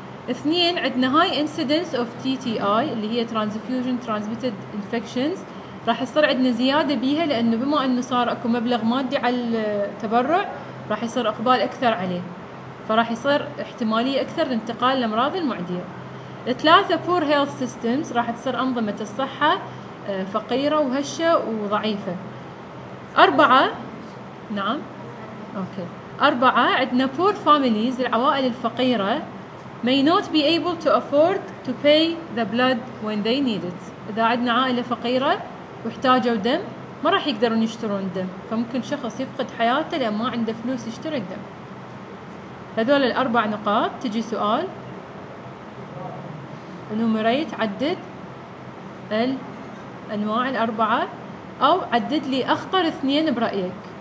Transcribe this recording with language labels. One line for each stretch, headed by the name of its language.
Arabic: اثنين عندنا
English: high incidence of TTI
Arabic: اللي هي
English: transfusion transmitted infections،
Arabic: راح يصير عندنا زيادة بيها، لأنه بما أنه صار أكو مبلغ مادي على التبرع راح يصير إقبال أكثر عليه، فراح يصير احتمالية أكثر لانتقال الأمراض المعدية. ثلاثة
English: poor health systems،
Arabic: راح تصير أنظمة الصحة فقيرة وهشة وضعيفة. أربعة نعم أوكي. أربعة عندنا
English: poor families
Arabic: العوائل الفقيرة
English: may not be able to afford to pay the blood when they need it.
Arabic: إذا عندنا عائلة فقيرة واحتاجوا دم ما راح يقدرون يشترون دم، فممكن شخص يفقد حياته لأن ما عنده فلوس يشتري الدم. هذول الأربع نقاط. تجي سؤال نمريت عدد الأنواع الأربعة أو عدد لي أخطر اثنين برأيك.